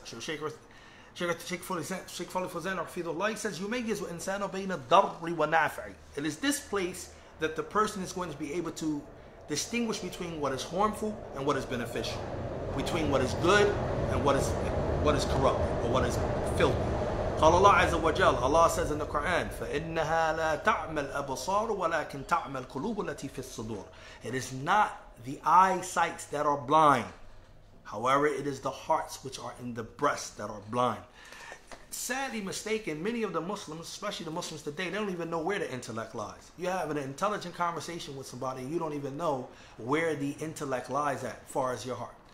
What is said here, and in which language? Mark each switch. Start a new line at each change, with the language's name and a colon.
English: So Shaykh Fulizan, or Fidullah, he says,
Arabic: Yumayyizu insanu bayna darri wa nafi'i.
English: It is this place that the person is going to be able to distinguish between what is harmful and what is beneficial, between what is good and what is corrupt or what is filthy.
Arabic: قال الله عز وجل,
English: Allah says in the Quran,
Arabic: فَإِنَّهَا لَا تَعْمَى الْأَبْصَارُ وَلَكِنْ تَعْمَى الْقُلُوبُ الَّتِي فِي الصُّدُورِ.
English: It is not the eyesights that are blind. However, it is the hearts which are in the breast that are blind. Sadly mistaken, many of the Muslims, especially the Muslims today, they don't even know where the intellect lies. You have an intelligent conversation with somebody, you don't even know where the intellect lies at, far as your heart.